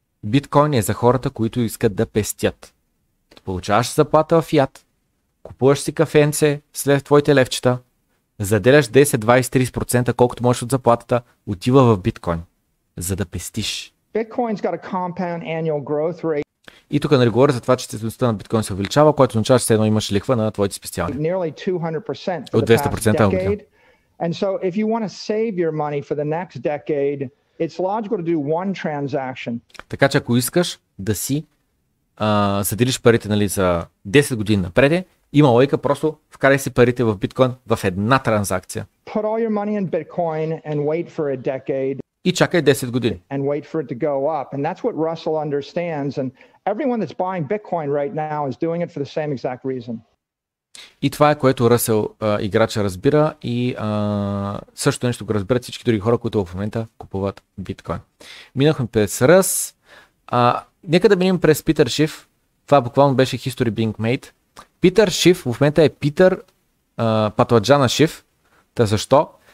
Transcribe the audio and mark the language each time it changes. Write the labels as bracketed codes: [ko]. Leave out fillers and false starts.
[bg] Биткоин е за хората, които искат да пестят. Получаваш заплата в фиат, купуваш си кафенце след твоите левчета, заделяш 10-20-30%, колкото можеш от заплатата, отива в биткоин, за да пестиш. [en] Bitcoin's got a compound annual growth rate. [bg] И тук нали говоря за това, че стойността на биткоин се увеличава, което означава, че все едно имаш лихва на твоите специални. [en] Nearly 200% for the past decade. And so if you want to save your money for the next decade, it's logical to do one transaction. [bg] Така че ако искаш да си заделиш парите, нали, за 10 години напред, има логика просто вкарай си парите в биткоин в една транзакция. [en] Put all your money in Bitcoin and wait for a decade. [bg] И чакай 10 години. [en] And wait for it to go up. And that's what Russell understands, and everyone that's buying Bitcoin right now is doing it for the same exact reason. [bg] И това е което Ръсел играча разбира и също нещо го разбират всички други хора, които в момента купуват биткоин. Минахме през Ръс. Нека да минем през Питър Шиф. Това буквално беше History Being Made. Питър Шиф в момента е Питър Патладжана Шиф. Та защо?